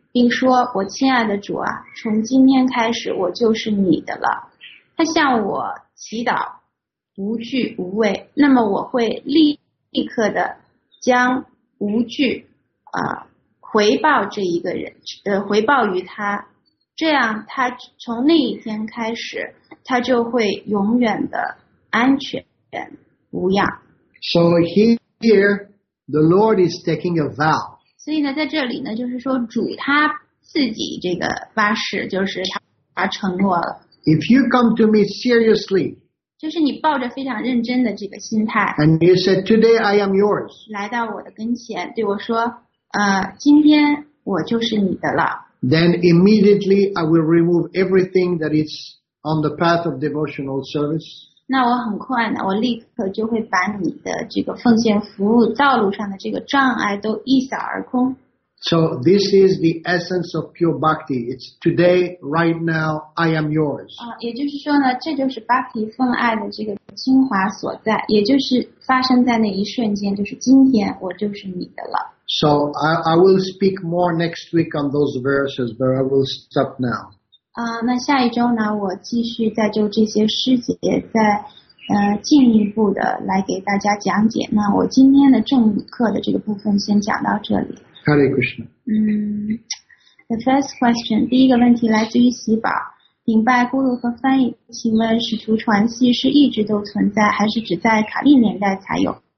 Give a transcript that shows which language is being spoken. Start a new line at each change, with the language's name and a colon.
Chinese: 并说我亲爱的主啊从今天开始我就是你的了他向我祈祷无惧无畏那么我会立刻的将无惧回报这一个人回报于他这样他从那一天开始他就会永远的安全无恙
English: So here the Lord is taking a vow
Chinese: 所以呢，在这里呢，就是说主他自己这个发誓，就是他承诺了。
English: If you come to me seriously，
Chinese: 就是你抱着非常认真的这个心态。
English: And you said today I am yours，
Chinese: 来到我的跟前，对我说，今天我就是你的了。
English: Then immediately I will remove everything that is on the path of devotional service。
Chinese: 那我很快呢，我立刻就会把你的这个奉献服务道路上的这个障碍都一扫而空。
English: So this is the essence of pure bhakti. It's today, right now, I am yours.
Chinese: 也就是说呢，这就是 bhakti 奉爱的这个精华所在，也就是发生在那一瞬间，就是今天，我就是你的了。
English: So I will speak more next week on those verses, but I will stop now.
Chinese: 那下一周呢，我继续再就这些师姐再进一步的来给大家讲解。那我今天的正课的这个部分先讲到这里。
Sanskrit: Hare Krishna。
English: The first question，
Chinese: 第一个问题来自于喜宝，顶拜咕噜和翻译，请问使徒传系是一直都存在，还是只在卡利年代才有？